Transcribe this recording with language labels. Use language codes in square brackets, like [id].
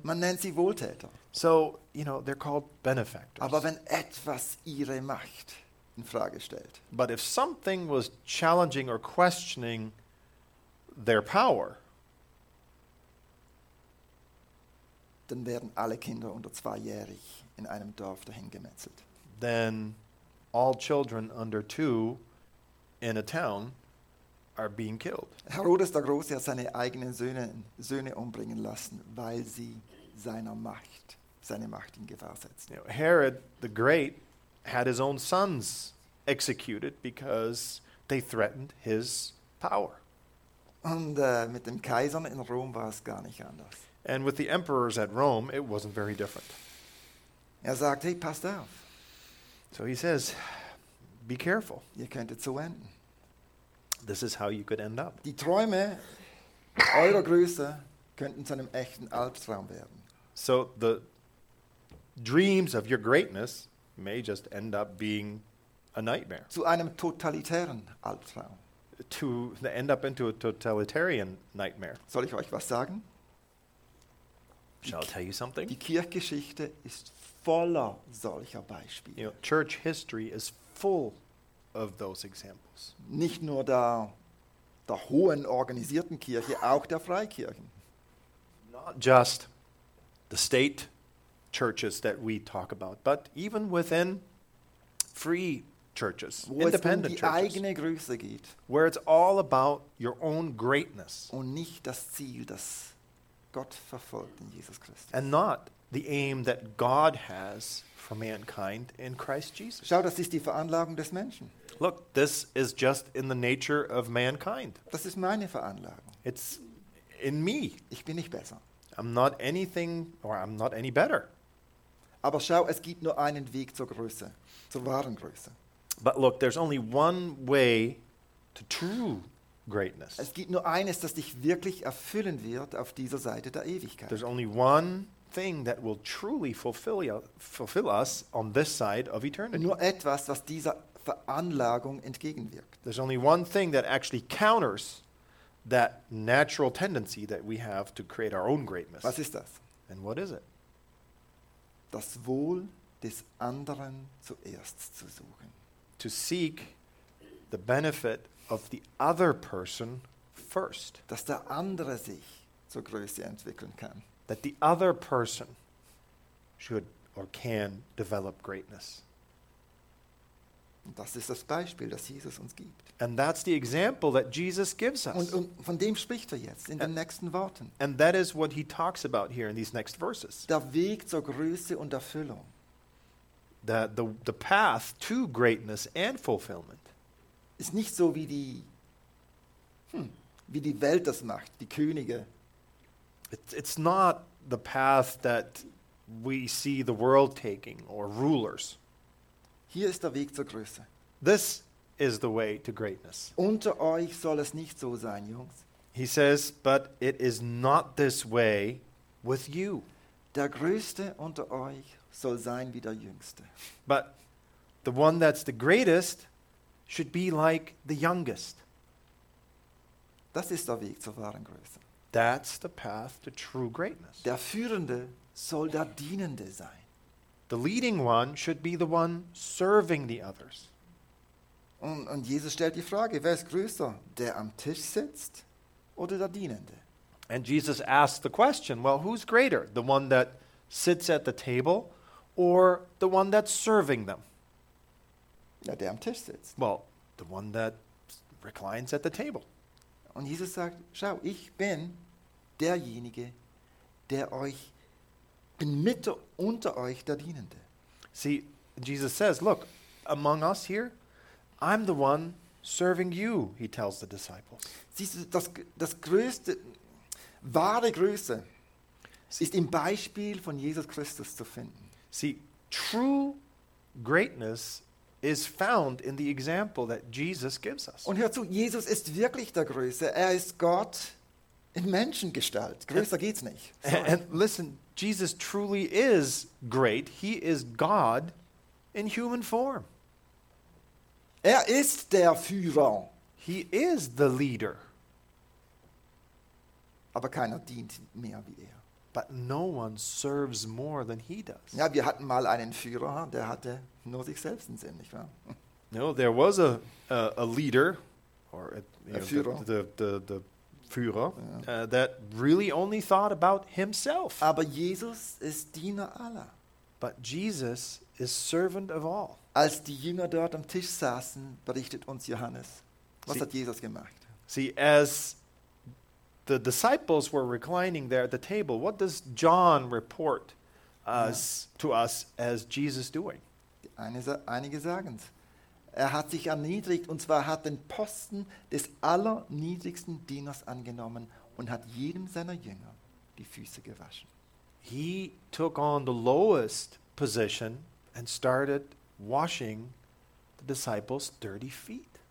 [de] Man nennt sie Wohltäter. [en] So, you know, they're called benefactors. [de] Aber wenn etwas ihre Macht in Frage stellt. [en] But if something was challenging or questioning their power, [de] dann werden alle Kinder unter zweijährig in einem Dorf dahin gemetzelt. [en] Then all children under two in a town are being killed. [de] Herodes der Große hat seine eigenen Söhne umbringen lassen, weil sie seine Macht in Gefahr setzen. [en] You know, Herod the Great had his own sons executed because they threatened his power. [de] Und mit dem Kaiser in Rom war es gar nicht anders. [en] And with the emperors at Rome, it wasn't very different. [de] Er sagt, hey, passt auf. [en] So he says, be careful. [de] Ihr könntet so enden. [en] This is how you could end up. [de] Die Träume eurer Größe könnten zu einem echten Albtraum werden. [en] So the dreams of your greatness may just end up being a nightmare. [de] Zu einem totalitären Albtraum. [en] To end up into a totalitarian nightmare. [de] Soll ich euch was sagen? [en] Shall I tell you something? [de] Die Kirchgeschichte ist voller solcher Beispiele. [en] You know, church history is full of those examples. [de] Nicht nur der hohen organisierten Kirche, auch der Freikirchen. [en] Not just the state churches that we talk about, but even within free churches, independent churches, [de] wo es um die eigene Größe geht, [en] where it's all about your own greatness, [de] und nicht das Ziel, das Gott verfolgt in Jesus Christus, [en] and not the aim that God has for mankind in Christ Jesus. [de] Schau, das ist die Veranlagung des Menschen. [en] Look, this is just in the nature of mankind. [de] Das ist meine Veranlagung. [en] It's in me. [de] Ich bin nicht besser. [en] I'm not anything, or I'm not any better. [de] Aber schau, es gibt nur einen Weg zur Größe, zur wahren Größe. [en] But look, there's only one way to true greatness. [de] Es gibt nur eines, das dich wirklich erfüllen wird auf dieser Seite der Ewigkeit. [en] There's only one thing that will truly fulfill us on this side of eternity. [de] Nur etwas, was dieser Veranlagung entgegenwirkt. [en] There's only one thing that actually counters that natural tendency that we have to create our own greatness. [de] Was ist das? [en] And what is it? [de] Das Wohl des anderen zuerst zu suchen. [en] To seek the benefit of the other person first. [de] Dass der andere sich zur Größe entwickeln kann. [en] That the other person should or can develop greatness. [de] Und das ist das Beispiel, das Jesus uns gibt. [en] And that's the example that Jesus gives us. [de] Und von dem spricht er jetzt in den nächsten Worten. [en] And that is what he talks about here in these next verses. [de] Der Weg zur Größe und Erfüllung. [en] The path to greatness and fulfillment. [de] Ist nicht so, wie die Welt das macht, die Könige. [en] It's not the path that we see the world taking or rulers. [de] Hier ist der Weg zur Größe. [en] This is the way to greatness. [de] Unter euch soll es nicht so sein, Jungs. [en] He says, but it is not this way with you. [de] Der Größte unter euch soll sein wie der Jüngste. [en] But the one that's the greatest should be like the youngest. [de] Das ist der Weg zur wahren Größe. [en] That's the path to true greatness. [de] Der Führende soll der Dienende sein. [en] The leading one should be the one serving the others. [de] Und Jesus stellt die Frage, wer ist größer, der am Tisch sitzt oder der Dienende? [en] And Jesus asks the question, well, who's greater, the one that sits at the table or the one that's serving them? [de] Ja, der am Tisch sitzt. [en] Well, the one that reclines at the table. [de] Und Jesus sagt, schau, ich bin derjenige, der euch bin mitte unter euch der Dienende. [en] See, Jesus says, look, among us here, I'm the one serving you, he tells the disciples. [de] Siehst du, das größte, wahre Größe ist im Beispiel von Jesus Christus zu finden. [en] See, true greatness is found in the example that Jesus gives us. [de] Und hör zu, Jesus ist wirklich der Größe. Er ist Gott in Menschengestalt. Größer geht's nicht. [en] And listen, Jesus truly is great. He is God in human form. [de] Er ist der Führer. [en] He is the leader. [de] Aber keiner dient mehr wie er. [en] But no one serves more than he does. [de] Ja, wir hatten mal einen Führer, der hatte nur sich selbst im Sinn, nicht wahr? [en] No, there was a leader, or a Führer. The Führer, that really only thought about himself. [de] Aber Jesus ist Diener aller. [en] But Jesus is servant of all. [de] Als die Jünger dort am Tisch saßen, berichtet uns Johannes, was hat Jesus gemacht? [en] See, as the disciples were reclining there at the table, what does John report to us as Jesus doing? [de] Einige sagen es. Er hat sich erniedrigt, und zwar hat den Posten des allerniedrigsten Dieners angenommen und hat jedem seiner Jünger die Füße gewaschen. [en] He took on the lowest position and started washing the disciples' dirty feet.